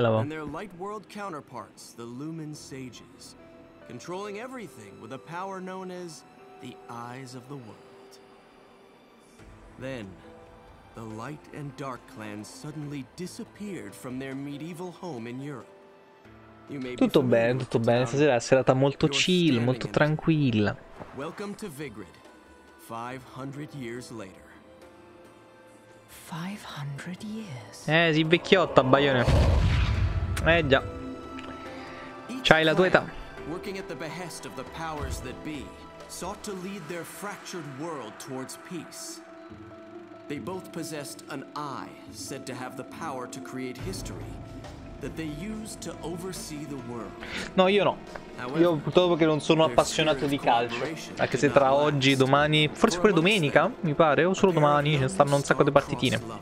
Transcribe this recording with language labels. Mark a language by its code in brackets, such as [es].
[en] And their light world counterparts, the Lumen Sages, controlling everything with a power known as the Eyes of the World. Then, the Light and Dark clans suddenly disappeared from their medieval home in Europe. [it] Tutto bene, stasera è una serata molto chill, molto tranquilla. [en] Welcome to Vigrid, 500 years later. 500 years? [it] Sì, vecchiotta, Baione. Già. C'hai la tua età. [en] Working at the behest of the powers that be, sought to lead their fractured world towards peace. They both possessed an eye, said to have the power to create history. That they use to oversee the world. [it] No, io no. Io purtroppo che non sono appassionato di calcio. Anche se tra oggi, domani, forse pure domenica, mi pare, o solo domani, ci stanno un sacco di partitine.